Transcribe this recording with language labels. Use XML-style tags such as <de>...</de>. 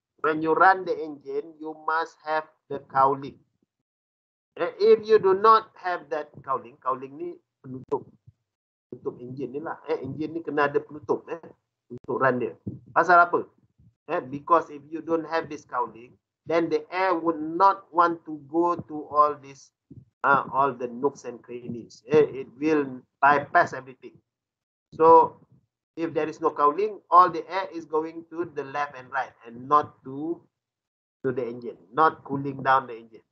<en>When you run the engine, you must have the cowling. And if you do not have that cowling, cowling</en> <ms>ni penutup. Penutup engine ni lah. Engine ni kena ada penutup untuk run dia. Pasal apa?</ms> <en>Because if you don't have this cowling, then the air would not want to go to all this, all the nooks and crannies. It will bypass everything. So if there is no cowling, all the air is going to the left and right and not to the engine, not cooling down the engine.</en>